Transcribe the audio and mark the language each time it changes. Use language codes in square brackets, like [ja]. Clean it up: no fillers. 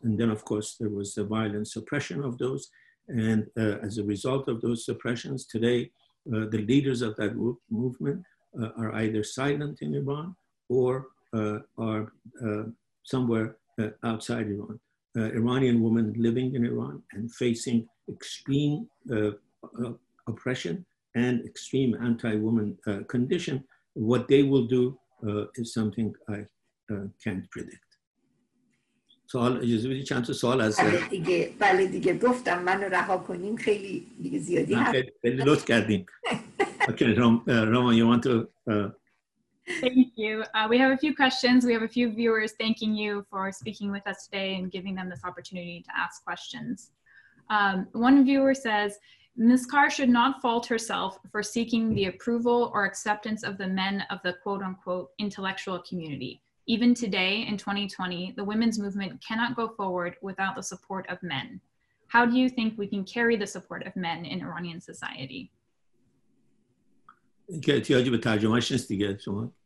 [en] And then, of course, there was the violent suppression of those. And as a result of those suppressions today, the leaders of that movement are either silent in Iran or are somewhere outside Iran. Iranian women living in Iran and facing extreme oppression and extreme anti-woman condition, what they will do is something I can't predict. [fa] سوال اجازه بدید چند تا سوال از بله دیگه گفتم منو رها کنیم خیلی دیگه زیادی هست. خیلی لطف کردیم. [en] Okay, Roma, you want to Thank you. We have a few questions. We have a few viewers thanking you for speaking with us today and giving them this opportunity to ask questions. One viewer says, Ms. Kar should not fault herself for seeking the approval or acceptance of the men of the quote unquote intellectual community. Even today in 2020, the women's movement cannot go forward without the support of men. How do you think we can carry the support of men in Iranian society? [fa] که احتیاجی به ترجمهش نیست دیگه شما؟